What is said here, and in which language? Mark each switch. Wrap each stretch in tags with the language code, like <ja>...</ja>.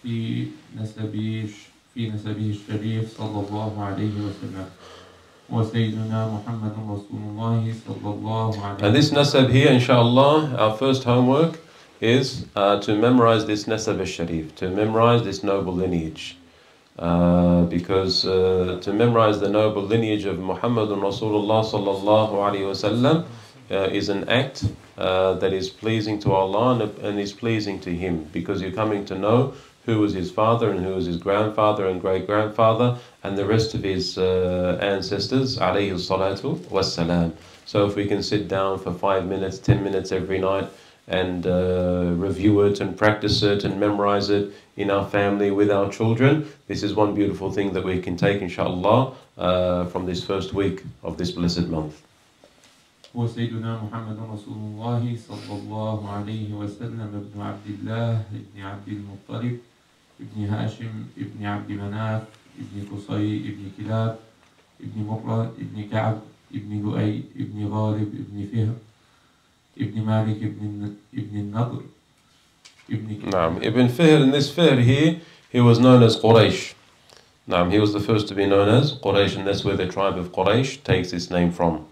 <ar>في نسبه الشريف صلى الله عليه وسلم وسيدنا محمد رسول الله صلى الله عليه وسلم.</ar> <en>And this nasab here, inshallah, our first homework is to memorize this nasab al-sharif, to memorize this noble lineage. Because to memorize the noble lineage of Muhammad Rasulullah sallallahu alayhi wa sallam is an act that is pleasing to Allah and is pleasing to Him, because you're coming to know who was his father and who was his grandfather and great-grandfather and the rest of his ancestors, alayhi salatu wassalam. So if we can sit down for 5 minutes, 10 minutes every night and review it and practice it and memorize it in our family with our children. This is one beautiful thing that we can take, inshallah, from this first week of this blessed month.</en> <ar>وسيدنا محمد رسول الله صلى الله عليه وسلم ابن عبد الله ابن عبد المطلب ابن هاشم ابن عبد مناف ابن قصي ابن كلاب ابن مقرة ابن كعب ابن لؤي ابن غالب ابن فهم ابن مالك ابن النضر ابن نعم ابن فهر.</ar> <en>In this Fihr, he was known as Quraysh. نعم, he was the first to be known as Quraysh, and that's where the tribe of Quraysh takes its name from.</en>